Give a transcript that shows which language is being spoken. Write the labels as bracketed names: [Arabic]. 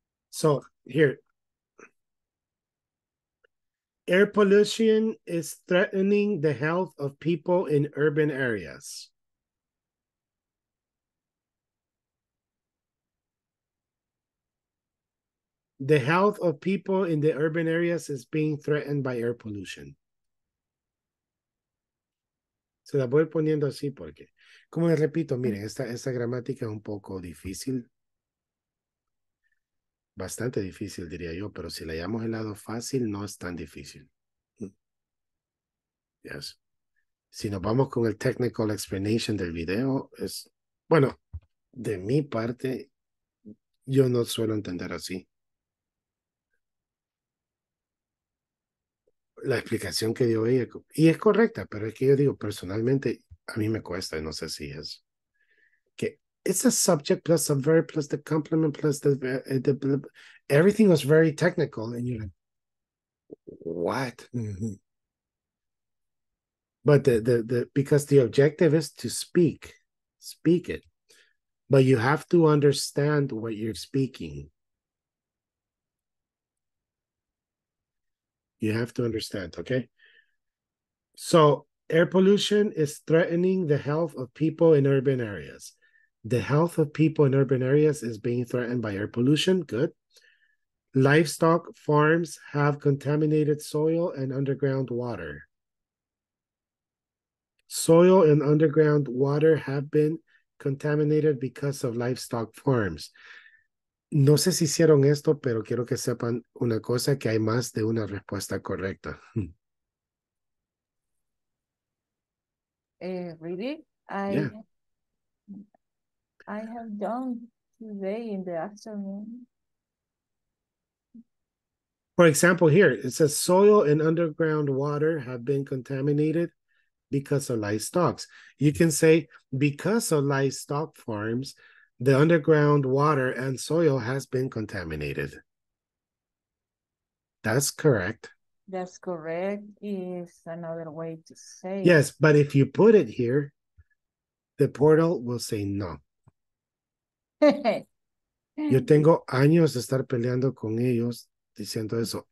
[English] So here, air pollution is threatening the health of people in urban areas. The health of people in the urban areas is being threatened by air pollution. [Spanish] Se la voy poniendo así porque, como les repito, miren, esta gramática es un poco difícil. Bastante difícil, diría yo, pero si le llamamos el lado fácil, no es tan difícil. Yes. Si nos vamos con el [English] technical explanation [Spanish] del video, es, bueno, de mi parte, yo no suelo entender así. La explicación que dio ella, y es correcta, pero es que yo digo, personalmente, a mí me cuesta, no sé si es. [English] It's a subject plus a verb plus the complement plus the everything was very technical and you're like, what? But because the objective is to speak it, but you have to understand what you're speaking. You have to understand, okay? So air pollution is threatening the health of people in urban areas. The health of people in urban areas is being threatened by air pollution. Good. Livestock farms have contaminated soil and underground water. Soil and underground water have been contaminated because of livestock farms. [Spanish] No sé si hicieron esto, pero quiero que sepan una cosa, que hay más de una respuesta correcta. [English] Really? I have done today in the afternoon. For example, here, it says soil and underground water have been contaminated because of livestock. You can say because of livestock farms, the underground water and soil has been contaminated. That's correct. That's correct. It's another way to say it. Yes, but if you put it here, the portal will say no. [Spanish] Yo tengo años de estar peleando con ellos diciendo eso.